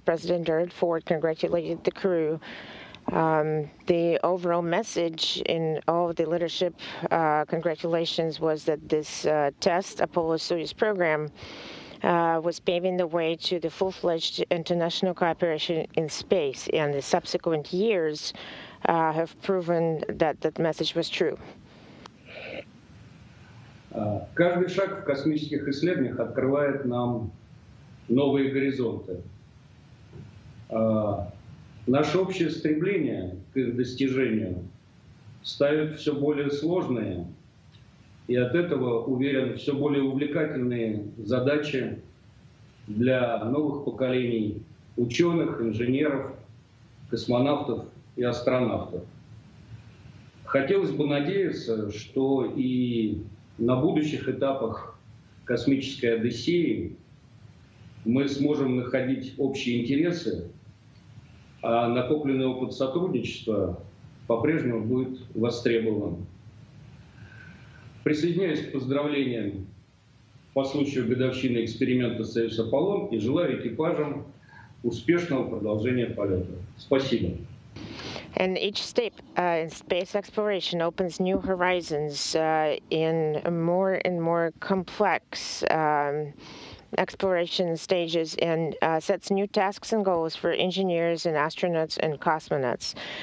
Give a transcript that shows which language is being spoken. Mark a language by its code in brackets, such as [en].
[en] President Gerald Ford congratulated the crew. The overall message in all of the leadership congratulations was that this test, Apollo-Soyuz program, was paving the way to the full-fledged international cooperation in space, and the subsequent years have proven that that message was true. [ru] Каждый шаг в космических исследованиях открывает нам новые горизонты. Наше общее стремление к их достижению ставит все более сложные и от этого, уверен, все более увлекательные задачи для новых поколений ученых, инженеров, космонавтов и астронавтов. Хотелось бы надеяться, что и на будущих этапах космической Одиссеи мы сможем находить общие интересы, а накопленный опыт сотрудничества по-прежнему будет востребован. Присоединяюсь к поздравлениям по случаю годовщины эксперимента «Союз Аполлон» и желаю экипажам успешного продолжения полета. Спасибо. [en] And each step in space exploration opens new horizons in more and more complex exploration stages and sets new tasks and goals for engineers and astronauts and cosmonauts.